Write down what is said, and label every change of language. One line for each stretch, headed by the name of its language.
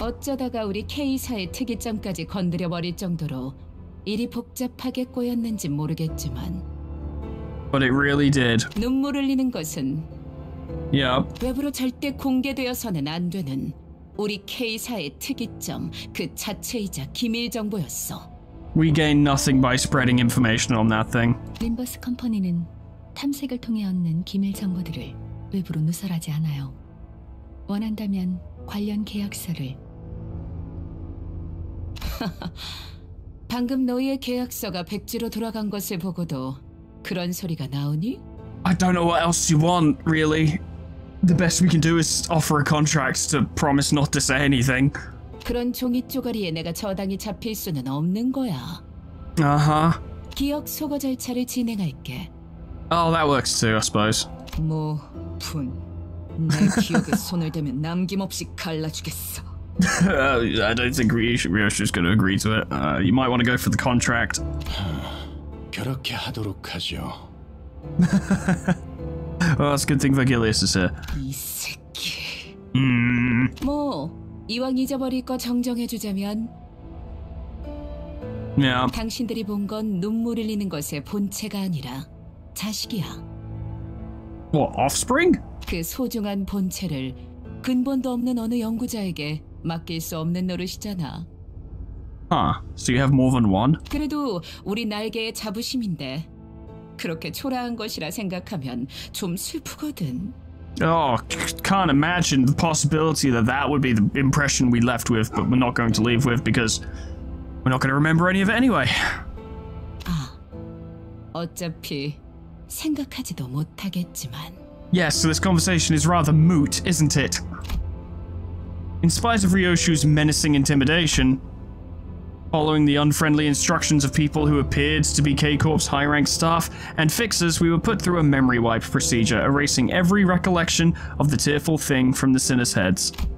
Korean: 어쩌다가 우리 K사의 특이점까지 건드려버릴 정도로 일이 복잡하게 꼬였는지 모르겠지만
English: But it really did.
Korean: 눈물 흘리는 것은
English: Yeah.
Korean: 외부로 절대 공개되어서는 안 되는 우리 K사의 특이점 그 자체이자 기밀 정보였어.
English: We gain nothing by spreading information on that thing.
Korean: 림버스 컴퍼니는 탐색을 통해 얻는 기밀 정보들을 외부로 누설하지 않아요. 원한다면 관련 계약서를 방금 너희의 계약서가 백지로 돌아간 것을 보고도 그런 소리가 나오니?
English: I don't know what else you want, really. The best we can do is offer a contract to promise not to say anything.
Korean: 그런 종이 쪼가리에 내가 저당이 잡힐 수는 없는 거야. 아하. 기억 소거 절차를 진행할게.
English: Oh, that works too, I suppose.
Korean: 뭐, 분. 내 기억에 손을 대면 남김없이 갈라주겠어.
English: I don't think Ryosh is going to agree to it. You might want to go for the contract.
Korean: 그렇게 하도록 하죠.
English: Well, that's a good thing Vergilius is here.
Korean: 이 새끼. 뭐, 이왕 잊어버릴 거 정정해주자면
English: yeah.
Korean: 당신들이 본 건 눈물 흘리는 것의 본체가 아니라 자식이야.
English: What, offspring?
Korean: 그 소중한 본체를 근본도 없는 어느 연구자에게 맡길 수 없는 노릇이잖아.
English: Huh, so you have more than one?
Korean: 그래도 우리 날개의 자부심인데 그렇게 초라한 것이라 생각하면 좀 슬프거든.
English: Oh, can't imagine the possibility that that would be the impression we left with, but we're not going to leave with because we're not going to remember any of it anyway.
Korean: 아, 어차피 생각하지도 못하겠지만.
English: Yes, so this conversation is rather moot, isn't it? In spite of Ryoshu's menacing intimidation, Following the unfriendly instructions of people who appeared to be K-Corp's high-ranked staff and fixers, we were put through a memory wipe procedure, erasing every recollection of the tearful thing from the sinners' heads.